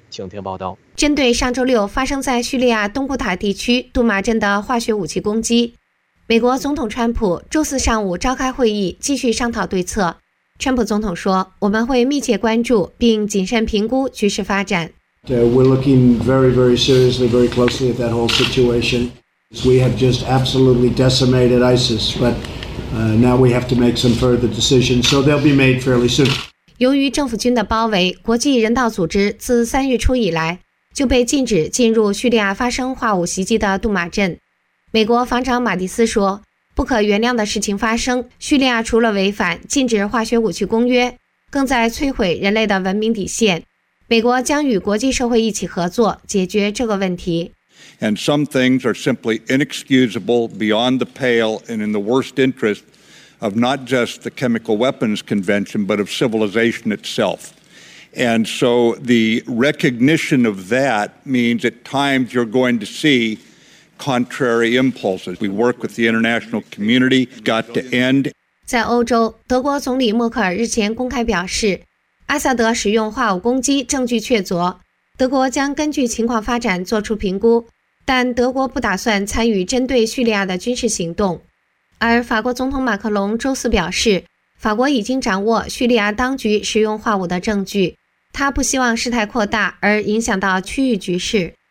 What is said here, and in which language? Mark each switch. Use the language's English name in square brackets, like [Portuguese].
[Chinese] 请听报道。针对上周六发生在叙利亚东布塔地区杜马镇的化学武器攻击，美国总统川普周四上午召开会议，继续商讨对策。川普总统说，我们会密切关注并谨慎评估局势发展。 [English] We're looking very, very seriously, very closely at that whole situation. We have just absolutely decimated ISIS, but now we have to make some further decisions, so they'll be made fairly soon. [Chinese] 由于政府军的包围，国际人道组织自3月初以来就被禁止进入叙利亚发生化武袭击的杜马镇。美国防长马蒂斯说，不可原谅的事情发生，叙利亚除了违反禁止化学武器公约，更在摧毁人类的文明底线。美国将与国际社会一起合作解决这个问题。 [English] And some things are simply inexcusable beyond the pale and in the worst interest of not just the Chemical Weapons Convention, but of civilization itself. And so the recognition of that means at times you're going to see contrary impulses. We work with the international community, got to end. [Chinese] 在欧洲，德国总理默克尔日前公开表示，阿萨德使用化武攻击证据确凿，德国将根据情况发展做出评估，但德国不打算参与针对叙利亚的军事行动。而法国总统马克龙周四表示，法国已经掌握叙利亚当局使用化武的证据，他不希望事态扩大而影响到区域局势。